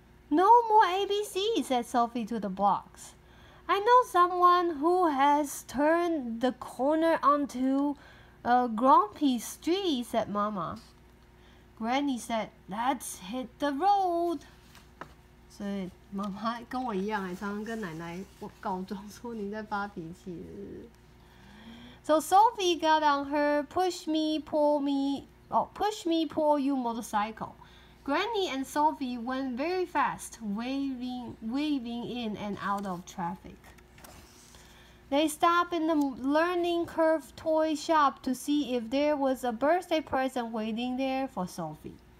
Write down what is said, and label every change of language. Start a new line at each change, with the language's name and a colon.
English: No more ABC, said Sophie to the blocks. I know someone who has turned the corner onto a grumpy street, said Mama. Granny said, let's hit the road.
Chinese: 所以妈妈跟我一样，常常跟奶奶告状说你在发脾气。
English: So Sophie got on her push me, pull you motorcycle. Granny and Sophie went very fast, weaving in and out of traffic. They stopped in the learning curve toy shop to see if there was a birthday present waiting there for Sophie.